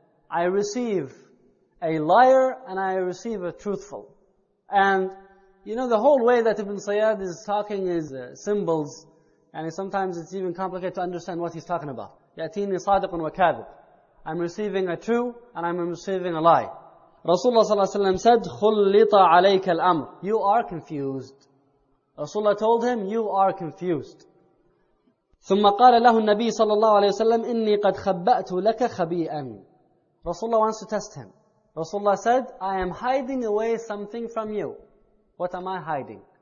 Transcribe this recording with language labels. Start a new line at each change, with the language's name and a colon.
English: I receive a liar and I receive a truthful. And you know, the whole way that Ibn Sayyad is talking is symbols, and sometimes it's even complicated to understand what he's talking about.
Arabic: يَأْتِينِ صَادِقٌ وَكَاذِبٌ.
English: I'm receiving a true and I'm receiving a lie.
Arabic: Rasulullah صلى الله عليه وسلم said, خُلِّطَ عَلَيْكَ الْأَمْرِ.
English: You are confused. Rasulullah told him, you are confused.
Arabic: ثُمَّ قَالَ لَهُ النَّبِيِّ صلى الله عليه وسلم, إِنِّي قَدْ خَبَّأْتُ لَكَ خَبِيئًا.
English: Rasulullah wants to test him. Rasulullah said, I am hiding away something from you. What am I hiding?